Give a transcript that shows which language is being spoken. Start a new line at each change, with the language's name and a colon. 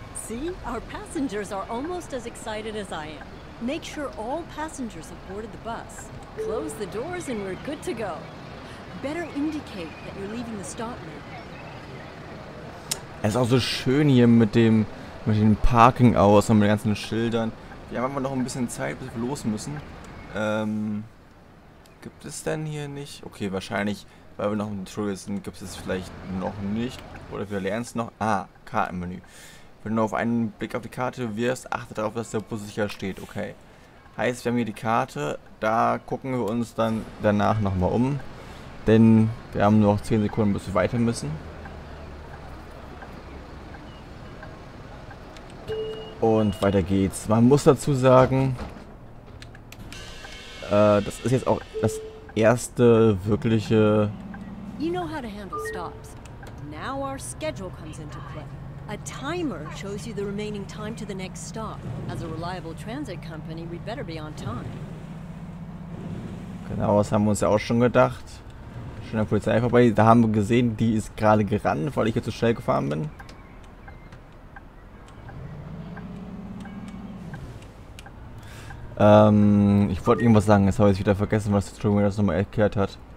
English: See, our passengers are almost as excited as I am. Make sure all passengers have boarded the bus. Close the doors and we're good to go. Better indicate that you're leaving the stop room.
German: Es ist auch so schön hier mit dem Parking aus und mit den ganzen Schildern. Wir haben aber noch ein bisschen Zeit, bis wir los müssen. Gibt es denn hier nicht? Okay, wahrscheinlich, weil wir noch im Tutorial sind, gibt es vielleicht noch nicht. Oder wir lernen es noch. Ah, Kartenmenü. Wenn du auf einen Blick auf die Karte wirst, achte darauf, dass der Bus sicher steht. Okay. Heißt, wir haben hier die Karte. Da gucken wir uns dann danach nochmal um. Denn wir haben nur noch 10 Sekunden, bis wir weiter müssen. Und weiter geht's. Man muss dazu sagen, das ist jetzt auch das erste wirkliche.
English: You know how to handle stops. Now our schedule comes into play. A timer shows you the remaining time to the next stop. As a reliable transit company, we'd better be on time.
German: Genau, das haben wir uns ja auch schon gedacht. Schon der Polizei vorbei. Da haben wir gesehen, die ist gerade gerannt, weil ich hier zu schnell gefahren bin. Ich wollte irgendwas sagen, jetzt habe ich wieder vergessen, was der Trimmer das nochmal erklärt hat.